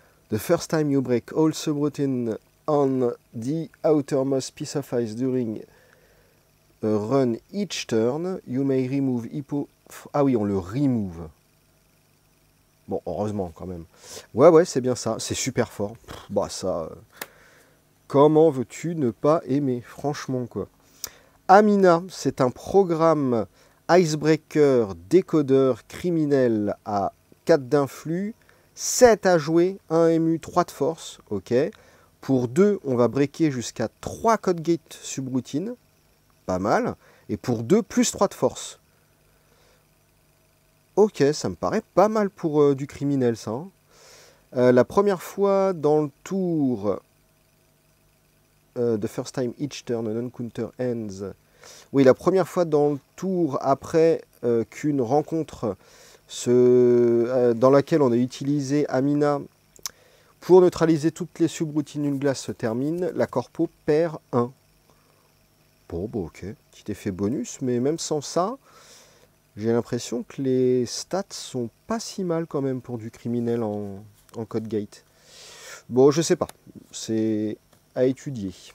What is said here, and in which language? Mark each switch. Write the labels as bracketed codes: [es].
[en] The first time you break all subroutines on the outermost piece of ice during a run each turn, you may remove hippo... [fr] Ah oui, on le remove. Bon, heureusement quand même. Ouais, c'est bien ça, c'est super fort. Bah ça, comment veux-tu ne pas aimer, franchement quoi. Amina, c'est un programme icebreaker, décodeur, criminel à 4 d'influx, 7 à jouer, 1 ému, 3 de force, ok. Pour 2, on va breaker jusqu'à 3 code gate subroutines, pas mal. Et pour 2, plus 3 de force. Ok, ça me paraît pas mal pour du criminel, ça. Hein. La première fois dans le tour... [en] the first time each turn an encounter ends. [fr] Oui, la première fois dans le tour après qu'une rencontre dans laquelle on a utilisé Amina pour neutraliser toutes les subroutines d'une glace se termine, la corpo perd 1. Bon, ok. Petit effet bonus, mais même sans ça, j'ai l'impression que les stats sont pas si mal quand même pour du criminel en code gate. Bon, je sais pas. C'est... à étudier.